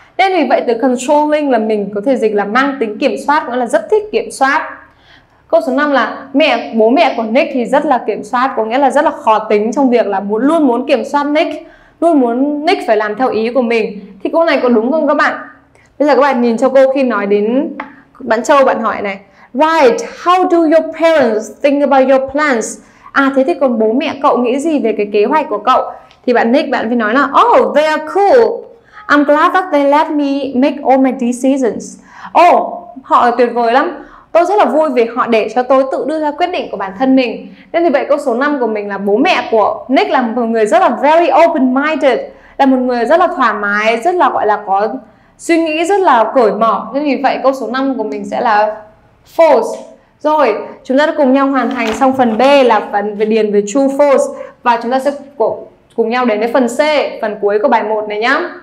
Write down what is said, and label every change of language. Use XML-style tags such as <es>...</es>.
<vi>Nên vì vậy từ controlling là mình có thể dịch là mang tính kiểm soát, nghĩa là rất thích kiểm soát. Câu số 5 là bố mẹ của Nick thì rất là kiểm soát, có nghĩa là rất là khó tính trong việc là luôn muốn kiểm soát Nick, luôn muốn Nick phải làm theo ý của mình. Thì câu này có đúng không các bạn? Bây giờ các bạn nhìn cho cô khi nói đến bạn Châu, bạn hỏi này.</vi> <en>Right, how do your parents think about your plans?</en> <vi>À, thế thì còn bố mẹ cậu nghĩ gì về cái kế hoạch của cậu? Thì bạn Nick bạn phải nói là</vi> <en>oh, they are cool. I'm glad that they let me make all my decisions.</en> <vi>Oh, họ tuyệt vời lắm. Tôi rất là vui vì họ để cho tôi tự đưa ra quyết định của bản thân mình. Nên thì vậy câu số 5 của mình là bố mẹ của Nick là một người rất là</vi> <en>very open-minded,</en> <vi>là một người rất là thoải mái, rất là gọi là có suy nghĩ rất là cởi mở. Nên vì vậy câu số 5 của mình sẽ là false. Rồi, chúng ta đã cùng nhau hoàn thành xong phần B là phần về điền về true false, và chúng ta sẽ cùng nhau đến với phần C, phần cuối của bài 1 này nhá.</vi>